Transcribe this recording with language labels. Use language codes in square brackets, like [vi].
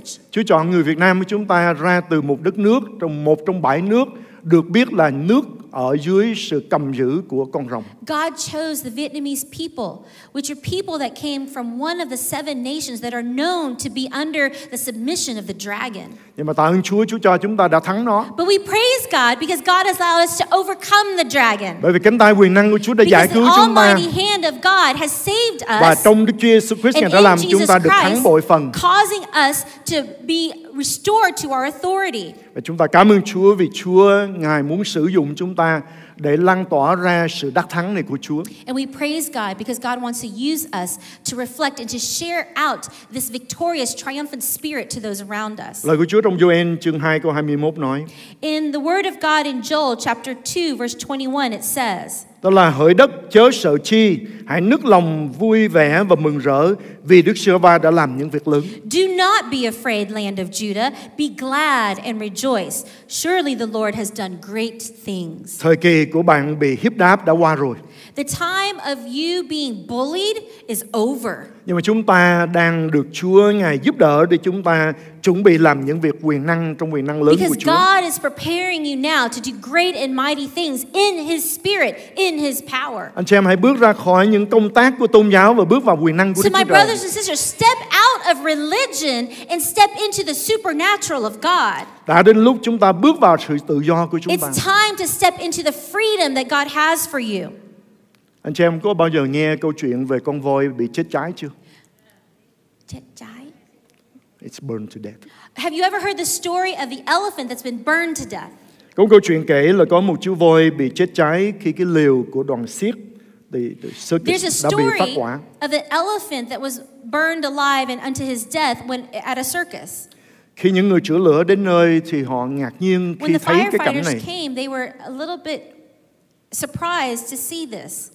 [vi] Chúa chọn người Việt Nam của chúng ta ra từ một đất nước, trong một trong bảy nước, được biết là nước ở dưới sự cầm giữ của con rồng. [en] God chose the Vietnamese people, which are people that came from one of the seven nations that are known to be under the submission of the dragon. [vi] Nhưng mà tạ ơn Chúa, Chúa cho chúng ta đã thắng nó. [en] But we praise God because God has allowed us to overcome the dragon. [vi] Bởi vì cánh tay quyền năng của Chúa đã giải cứu chúng ta. [en] Because the almighty hand of God has saved us. [vi] Và trong Đức Chúa Jesus Christ ngài đã làm chúng ta được thắng bội phần. [en] Causing us to be restored to our authority. [vi] Và chúng ta cảm ơn Chúa vì Chúa ngài muốn sử dụng chúng ta để lan tỏa ra sự đắc thắng này của Chúa. [en] And we praise God because God wants to use us to reflect and to share out this victorious triumphant spirit to those around us. [vi] Lời của Chúa trong Joel chương 2 câu 21 nói. [en] In the word of God in Joel chapter 2 verse 21 it says. [vi] Đó là hỡi đất chớ sợ chi, hãy nức lòng vui vẻ và mừng rỡ vì Đức Giê-hô-va đã làm những việc lớn. [en] Do not be afraid, land of Judah. Be glad and rejoice. Surely the Lord has done great things. [vi] Thời kỳ của bạn bị hiếp đáp đã qua rồi. [en] The time of you being bullied is over. [vi] Nhưng mà chúng ta đang được Chúa ngài giúp đỡ để chúng ta chuẩn bị làm những việc quyền năng trong quyền năng lớn [en] Because [vi] của Chúa. [en] God is preparing you now to do great and mighty things in his spirit, in his power. [vi] Anh chị em hãy bước ra khỏi những công tác của tôn giáo và bước vào quyền năng của [en] so [vi] Đức Chúa Trời. [en] Brothers and sisters, step out of religion and step into the supernatural of God. [vi] Đã đến lúc chúng ta bước vào sự tự do của chúng ta. [en] It's time to step into the freedom that God has for you. [vi] Anh chị em có bao giờ nghe câu chuyện về con voi bị chết cháy chưa? Chết cháy? [en] It's burned to death. Have you ever heard the story of the elephant that's been burned to death? [vi] Có câu chuyện kể là có một chú voi bị chết cháy khi cái liều của đoàn xiếc đã bị phát quả. [en] Of an elephant that was burned alive and unto his death when at a circus. [vi] Khi những người chữa lửa đến nơi thì họ ngạc nhiên khi thấy cái cảnh này. [en] Came, they were a little bit surprised to see this.